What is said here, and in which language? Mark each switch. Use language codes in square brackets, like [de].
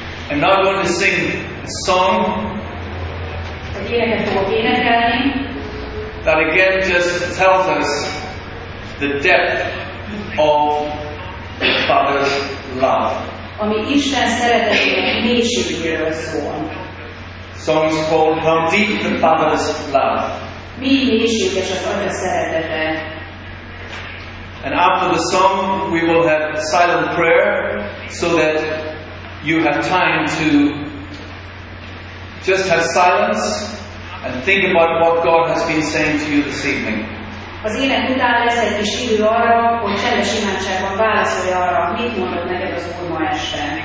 [en] And now I'm going to sing a song. [hu] Egy éneket fogok énekelni. [en] That again just tells us the depth of the Father's love. [hu] Ami Isten szeretetének mélységéről szól. [en] Song is called How Deep the Father's Love. [hu] Mi mélységes az Atya szeretete. [en] And after the song we will have silent prayer so that you have time to just have silence and think about what God has been saying to you this evening. [hu] Az ének után lesz egy kis idő arra, hogy csendes imádságban válaszolja arra, mit mondott neked az Úr ma este.